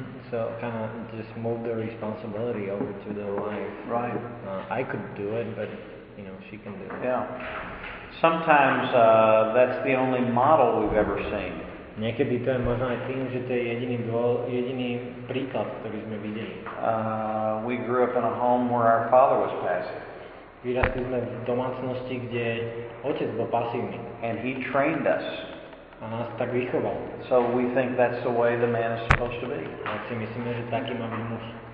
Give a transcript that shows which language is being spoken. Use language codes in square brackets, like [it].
[en] So kind of just move the responsibility over to the wife. Right. I could do it, but you know, she can do it. Yeah. Sometimes that's the only model we've ever seen. [sk] Niekedy to je možno aj tým, že to je jediný príklad, ktorý sme videli. [en] We grew up in a home where our father was passive. [sk] Vyrastli sme v domácnosti, kde otec bol pasívny. [en] And he trained us. [sk] A nás tak vychoval. [en] So we think that's the way the man is supposed to be. [sk] A si myslíme, že taký má byť muž.